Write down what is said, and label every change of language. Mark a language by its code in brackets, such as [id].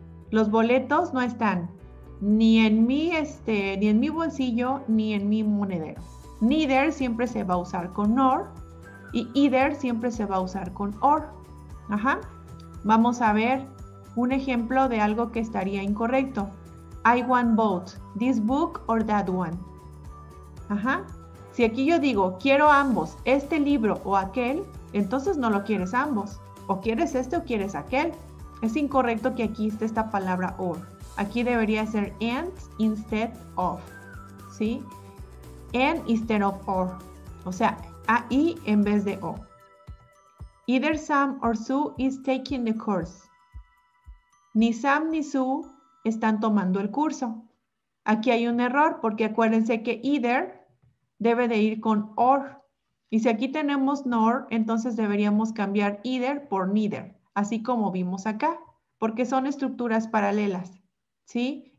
[es] Los boletos no están ni en mi ni en mi bolsillo ni en mi monedero. Neither siempre se va a usar con nor y either siempre se va a usar con or. Ajá. Vamos a ver un ejemplo de algo que estaría incorrecto. [en] I want both this book or that one. [es] Ajá. Si aquí yo digo quiero ambos, este libro o aquel, entonces no lo quieres ambos. O quieres este o quieres aquel. Es incorrecto que aquí esté esta palabra or. Aquí debería ser [en] and instead of. [es] ¿Sí? [en] And instead of or. [es] O sea, a-i en vez de o. [en] Either Sam or Sue is taking the course. [es] Ni Sam ni Sue están tomando el curso. Aquí hay un error porque acuérdense que either debe de ir con or. Y si aquí tenemos nor, entonces deberíamos cambiar either por neither, así como vimos acá, porque son estructuras paralelas, ¿sí?